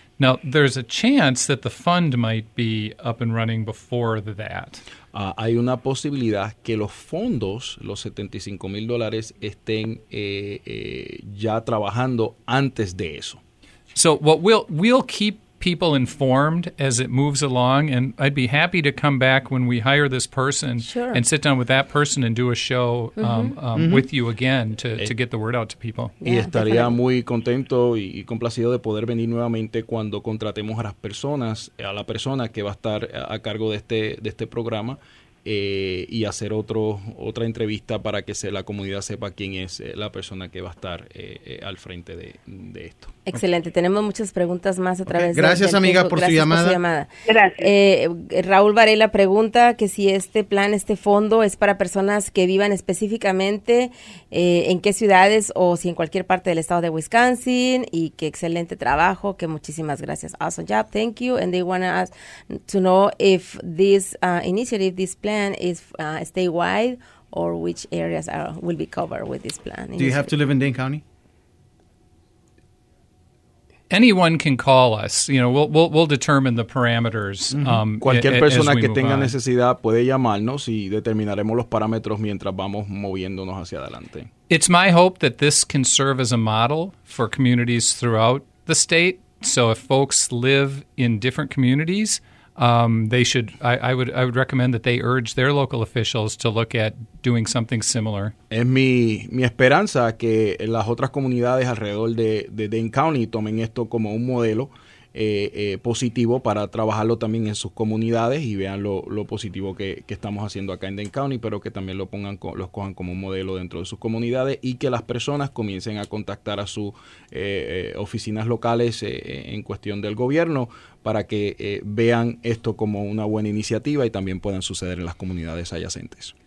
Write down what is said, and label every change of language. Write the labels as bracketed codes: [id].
[en] Now, there's a chance that the fund might be up and running before that. [es] Hay una posibilidad que los fondos, los $75,000, estén ya trabajando antes de eso. [en] So what we'll keep people informed as it moves along, and I'd be happy to come back when we hire this person and sit down with that person and do a show with you again to get the word out to people. [es] Y estaría muy contento y complacido de poder venir nuevamente cuando contratemos a las personas, a la persona que va a estar a cargo de este programa y hacer otra entrevista para que la comunidad sepa quién es la persona que va a estar al frente de esto. Excelente. Okay. Tenemos muchas preguntas más a través de... Gracias, amiga, por su llamada. Gracias. Raúl Varela pregunta que si este plan, este fondo, es para personas que vivan específicamente en qué ciudades o si en cualquier parte del estado de Wisconsin, y qué excelente trabajo, que muchísimas gracias. [en] Awesome job. Thank you. And they want to ask to know if this initiative, this plan is statewide or which areas will be covered with this plan. Do you have to live in Dane County? Anyone can call us. You know, we'll determine the parameters. [es] Cualquier persona que tenga necesidad puede llamarnos y determinaremos los parámetros mientras vamos moviéndonos hacia adelante. [en] It's my hope that this can serve as a model for communities throughout the state. So if folks live in different communities, they should. I would recommend that they urge their local officials to look at doing something similar. [es] Es mi esperanza que las otras comunidades alrededor de Dane County tomen esto como un modelo positivo para trabajarlo también en sus comunidades y vean lo positivo que estamos haciendo acá en Dane County, pero que también los cojan como un modelo dentro de sus comunidades y que las personas comiencen a contactar a sus oficinas locales en cuestión del gobierno para que vean esto como una buena iniciativa y también puedan suceder en las comunidades adyacentes.